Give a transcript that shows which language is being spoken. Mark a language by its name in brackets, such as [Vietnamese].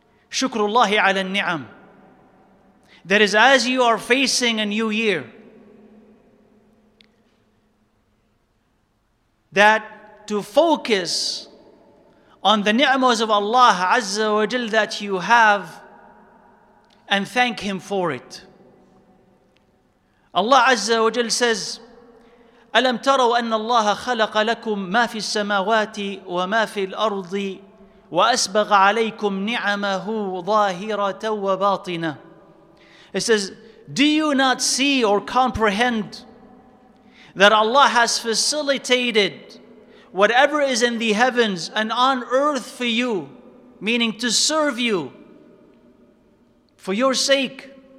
[Arabic] Shukrullahi ala ni'am. [English] That is, as you are facing a new year, that to focus on the ni'mas of Allah Azza wa Jal that you have, and thank him for it. Allah Azza wa Jal says, [Arabic] أَلَمْ تَرَوْا أَنَّ اللَّهَ خَلَقَ لَكُمْ مَا فِي السَّمَاوَاتِ وَمَا فِي الْأَرْضِ وَأَسْبَغَ عَلَيْكُمْ نِعَمَهُ ظَاهِرَةً وَبَاطِنَةً. [English] It says, do you not see or comprehend that Allah has facilitated whatever is in the heavens and on earth for you, meaning to serve you, for your sake.